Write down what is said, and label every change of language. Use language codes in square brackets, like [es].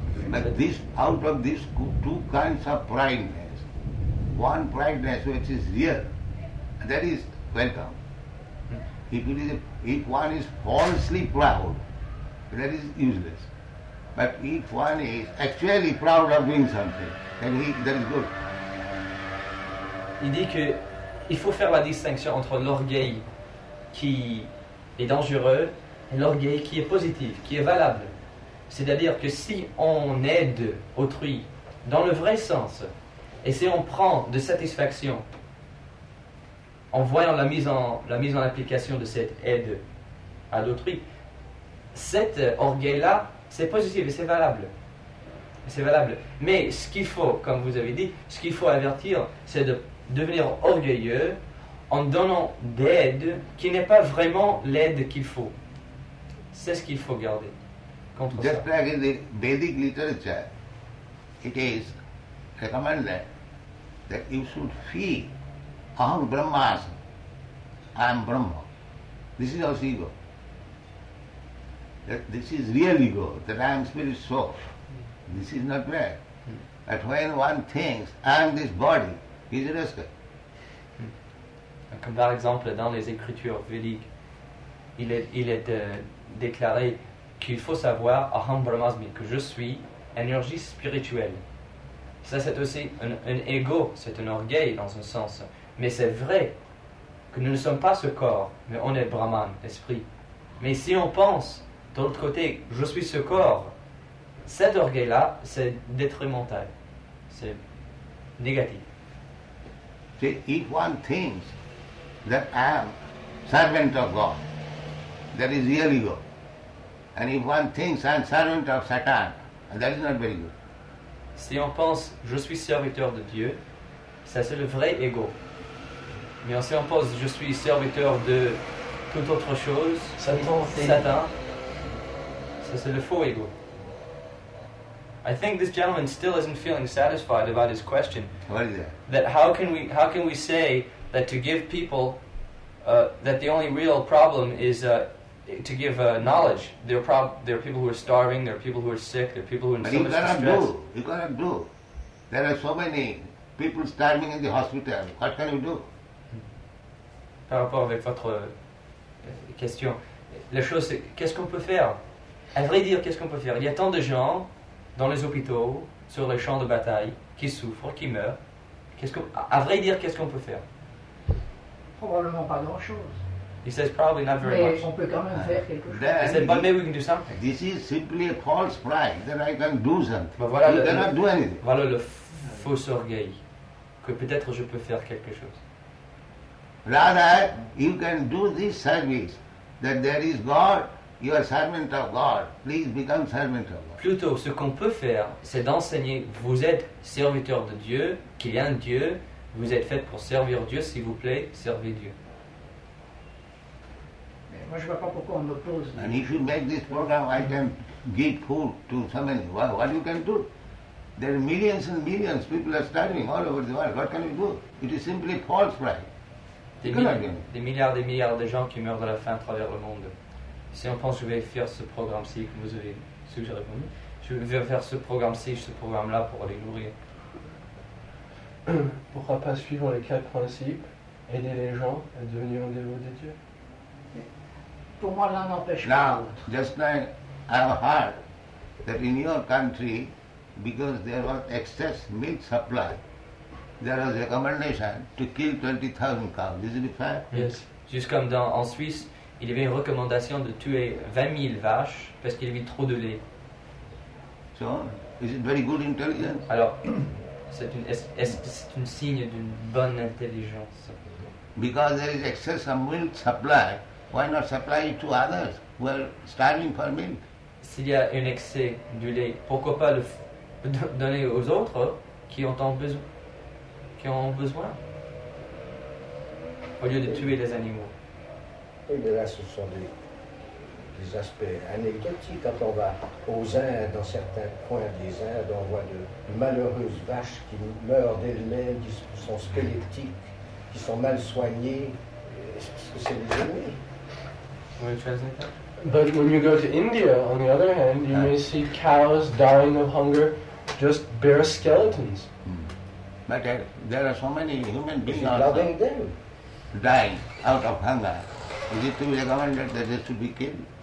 [en] But this, out of these two kinds of prideness, one prideness which is real, that is welcome. If one is falsely proud, that is useless. But if one is actually proud of doing something, then that is good. [fr] Il dit que il faut faire la distinction entre l'orgueil qui est dangereux et l'orgueil qui est positif, qui est valable. C'est-à-dire que si on aide autrui dans le vrai sens, et si on prend de satisfaction en voyant la mise en application de cette aide à d'autrui, cet orgueil-là, c'est positif et c'est valable. C'est valable. Mais ce qu'il faut, comme vous avez dit, ce qu'il faut avertir, c'est de devenir orgueilleux en donnant d'aide qui n'est pas vraiment l'aide qu'il faut. C'est ce qu'il faut garder. [en] Just like in the Vedic literature, it is recommended that you should feel, [sa] aham brahmasmi, [en] I am Brahma. This is also ego. That this is real ego, that I am spirit soul. This is not bad. But when one thinks, I am this body, he is a rascal. [fr] Comme par exemple dans les écritures védiques, il est déclaré qu'il faut savoir [sa] aham brahmasmi, [fr] que je suis énergie spirituelle. Ça, c'est aussi un ego, c'est un orgueil dans un sens. Mais c'est vrai que nous ne sommes pas ce corps, mais on est Brahman, esprit. Mais si on pense, de l'autre côté, je suis ce corps, cet orgueil-là, c'est détrimental. C'est négatif. [en] See, if one thinks that I am servant of God, that is real ego. And if one thinks I'm servant of Satan, that is not very good. [fr] Si on pense je suis serviteur de Dieu, ça c'est le vrai ego. Mais si on pense je suis serviteur de toute autre chose, Satan, ça c'est le faux ego. [en] I think this gentleman still isn't feeling satisfied about his question. What is that? That how can we say that to give people that the only real problem is to give knowledge. There are people who are starving, there are people who are sick, there are people who are in so much distress. But you cannot do. There are so many people starving in the hospital. What can you do? [fr] Par rapport avec votre question, la chose, c'est qu'est-ce qu'on peut faire? À vrai dire, qu'est-ce qu'on peut faire? Il y a tant de gens dans les hôpitaux, sur les champs de bataille, qui souffrent, qui meurent. Qu'est-ce qu'on peut faire? Probablement pas grand-chose. [en] He says probably not very [fr] mais [en] much. [fr] On peut quand même faire quelque chose. [en] I said, but maybe we can do something. This is simply a false pride that I can do something. But [fr] voilà [en] you cannot do anything. [fr] Voilà le faux orgueil que peut-être je peux faire quelque chose. [en] Rather, you can do this service that there is God, you are servant of God. Please become servant of God. [fr] Plutôt, ce qu'on peut faire, c'est d'enseigner vous êtes serviteur de Dieu, qu'il y a un Dieu, vous êtes fait pour servir Dieu, s'il vous plaît, servez Dieu. Moi, je ne vois pas pourquoi on oppose. [en] And if you make this program, I can give food to so many. What you can do? There are millions and millions of people are starving all over the world. What can you do? It is simply false pride. [fr] Des milliards et milliards de gens qui meurent de la faim à travers le monde. Si on pense que je vais faire ce programme-ci que vous avez suggéré pour nous, je vais faire ce programme-ci, ce programme-là pour les nourrir. Pourquoi pas suivre les quatre principes, aider les gens à devenir un dévot de Dieu? pour moi l'un n'empêche pas l'autre. [en] Now, just like I have heard that in your country, because there was excess milk supply, there was recommendation to kill 20,000 cows. Is it fair? Yes. Just [fr] comme dans en Suisse, il y avait une recommandation de tuer 20,000 vaches parce qu'il y avait trop de lait. [en] So, is it very good intelligence? [fr] Alors, c'est un signe d'une bonne intelligence. [en] Because there is excess of milk supply, why not supply it to others who are starving for milk? [fr] S'il y a un excès du lait, pourquoi pas le donner aux autres qui ont besoin, au lieu de tuer les animaux. Oui, mais là, ce sont des aspects anecdotiques. Quand on va aux Indes, dans certains coins des Indes, on voit de malheureuses vaches qui meurent d'elles-mêmes, qui sont squelettiques, qui sont mal soignées. Est-ce que c'est des ennemis? Oui, tu as dit. [en] But when you go to India, on the other hand, you may see cows dying of hunger, just bare skeletons. Mm. But there are so many human beings also loving them, dying out of hunger. Is it to be recommended that they should be killed?